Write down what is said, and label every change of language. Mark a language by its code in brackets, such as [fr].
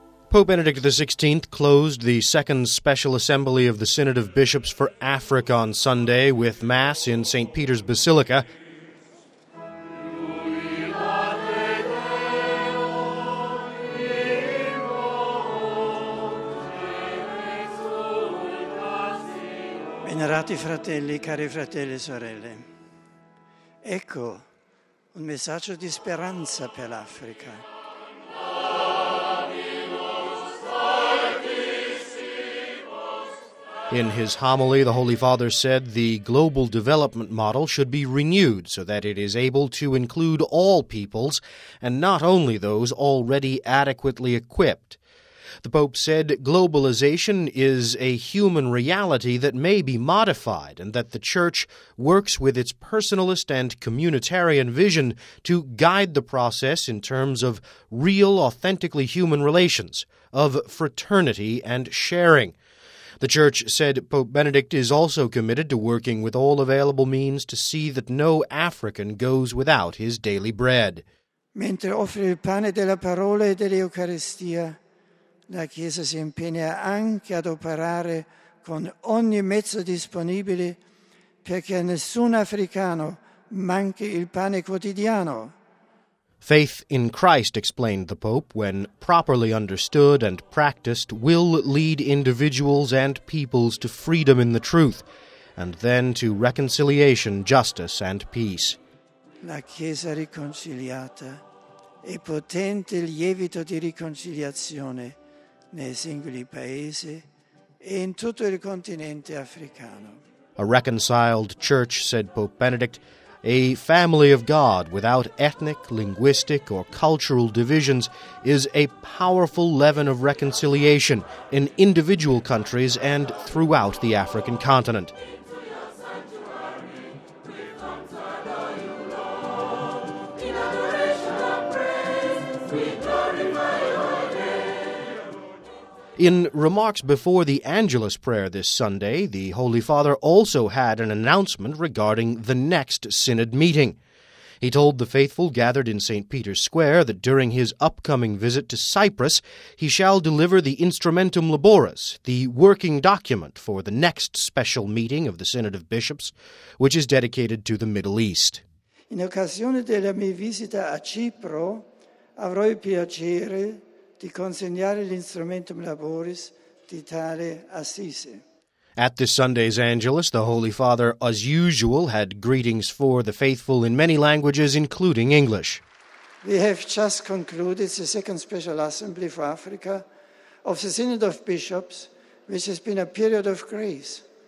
[en] Pope Benedict XVI closed the second special assembly of the Synod of Bishops for Africa on Sunday with Mass in St. Peter's Basilica. [it] Venerati fratelli, cari fratelli e sorelle, ecco un messaggio di speranza per l'Africa. [en] In his homily, the Holy Father said the global development model should be renewed so that it is able to include all peoples and not only those already adequately equipped. The Pope said globalization is a human reality that may be modified and that the Church works with its personalist and communitarian vision to guide the process in terms of real, authentically human relations, of fraternity and sharing. The Church said Pope Benedict is also committed to working with all available means to see that no African goes without his daily bread. [it] Mentre offre il pane della parola e dell'Eucaristia, la Chiesa si impegna anche ad operare con ogni mezzo disponibile perché nessun africano manchi il pane quotidiano. [en] Faith in Christ, explained the Pope, when properly understood and practiced, will lead individuals and peoples to freedom in the truth, and then to reconciliation, justice, and peace. [it] La Chiesa riconciliata è potente lievito di riconciliazione nei singoli paesi e in tutto il continente africano. [en] A reconciled church, said Pope Benedict, a family of God without ethnic, linguistic, or cultural divisions is a powerful leaven of reconciliation in individual countries and throughout the African continent. In remarks before the Angelus prayer this Sunday, the Holy Father also had an announcement regarding the next synod meeting. He told the faithful gathered in St. Peter's Square that during his upcoming visit to Cyprus, he shall deliver the Instrumentum Laboris, the working document for the next special meeting of the Synod of Bishops, which is dedicated to the Middle East. [it] In occasione della mia visita a Cipro, avrò il piacere di consegnare l'Instrumentum Laboris di tale Assise. [en] At this Sunday's Angelus, the Holy Father, as usual, had greetings for the faithful in many languages, including English. We have just concluded the second special assembly for Africa of the Synod of Bishops, which has been a period of grace.